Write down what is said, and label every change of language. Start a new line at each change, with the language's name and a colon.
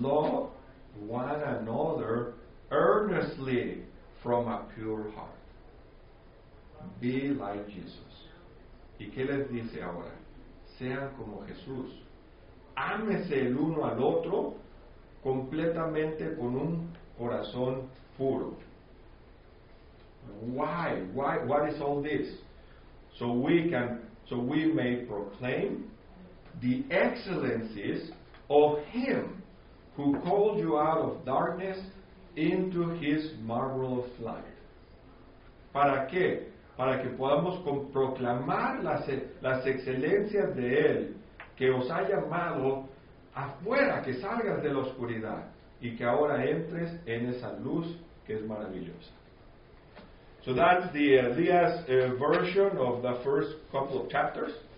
English: Love one another earnestly from a pure heart. Be like Jesus.
Spanish: ¿Y qué les dice ahora? Sean como Jesús. Ámense el uno al otro completamente con un corazón puro.
English: Why? Why? What is all this? So we may proclaim the excellencies of him who called you out of darkness into his marvelous light.
Spanish: ¿Para qué? Para que podamos proclamar las excelencias de él que os ha llamado afuera, que salgas de la oscuridad y que ahora entres en esa luz que es maravillosa.
English: So that's the Elias version of the first couple of chapters.